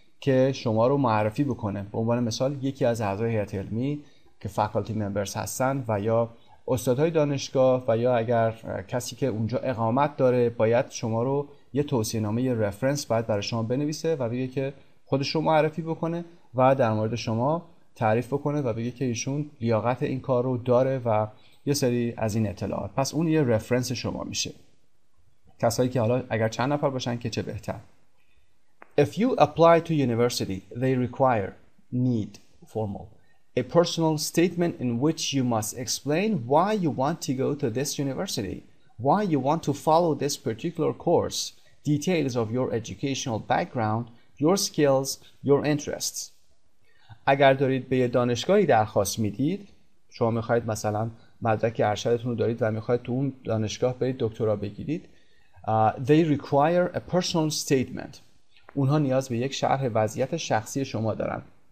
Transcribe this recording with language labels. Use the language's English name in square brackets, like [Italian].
[Persian] که شما رو معرفی بکنه. به عنوان مثال یکی از اعضای هیئت علمی که فکالتی ممبرز هستن و یا استادهای دانشگاه و یا اگر کسی که اونجا اقامت داره باید شما رو یه توصیه نامه یه رفرنس باید برای شما بنویسه و بگه که خودش رو معرفی بکنه و در مورد شما تعریف بکنه و بگه که ایشون لیاقت این کار رو داره و یه سری از این اطلاعات. پس اون یه رفرنس شما میشه. کسایی که حالا اگر چند نفر باشن که چه بهتر. [English] If you apply to university, they require need formal a personal statement in which you must explain why you want to go to this university, why you want to follow this particular course, details of your educational background, your skills, your interests. [Persian] اگر دارید به یه دانشگاهی درخواست میدید، شما میخواید مثلا مدرک ارشدتون رو دارید و میخواید تو اون دانشگاه برید دکترا بگیرید، [English] they require a personal statement. [Persian] اونها نیاز به یک شرح وضعیت شخصی شما دارن.